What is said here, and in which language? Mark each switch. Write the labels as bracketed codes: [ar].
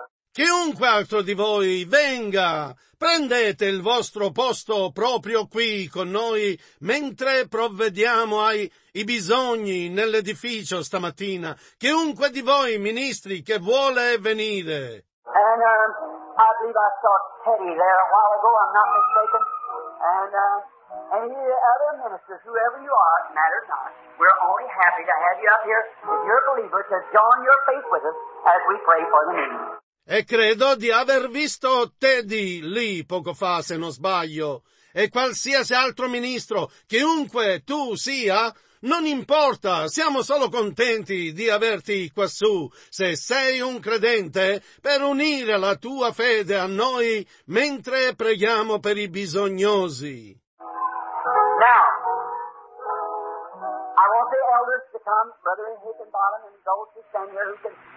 [it] Chiunque altro di voi venga, prendete il vostro posto proprio qui con noi mentre provvediamo ai bisogni nell'edificio stamattina. Chiunque di voi ministri che vuole venire. [en] And I believe I saw Teddy there a while ago, I'm not mistaken. And any other ministers, whoever you are, matters not. We're only happy to have you up here, if you're a believer, to join your faith with us as we pray for the needy. [it] E credo di aver visto Teddy lì poco fa, se non sbaglio. E qualsiasi altro ministro, chiunque tu sia, non importa, siamo solo contenti di averti quassù, se sei un credente, per unire la tua fede a noi mentre preghiamo per i bisognosi. [en] Now, I want the elders to come, Brother Hickenbottom and those who stand here who can...